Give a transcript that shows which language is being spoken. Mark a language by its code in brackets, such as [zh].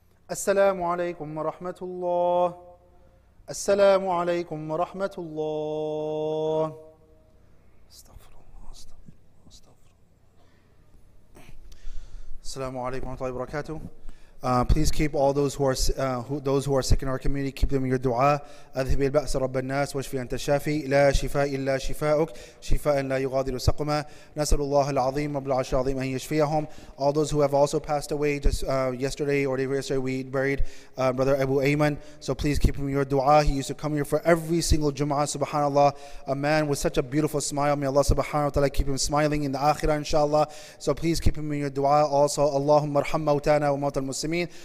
[ar] السلام عليكم ورحمة الله. السلام عليكم ورحمة الله. استغفر الله استغفر الله استغفر الله. السلام عليكم ورحمة الله وبركاته. [en] Please keep all those who are sick in our community, keep them in your dua. [ar] أذهب البأس رب الناس واشفي أنت الشافي. لا شفاء إلا شفاؤك شفاء لا يغادر سقما. نسأل الله العظيم رب العرش العظيم أن يشفيهم. [en] All those who have also passed away just yesterday we buried brother Abu Ayman. So please keep him in your dua. He used to come here for every single Jum'ah. Subhanallah, a man with such a beautiful smile. May Allah subhanahu wa ta'ala keep him smiling in the akhirah inshallah. So please keep him in your dua also. [ar] Allahumma arham mawtana wa mawtal muslim.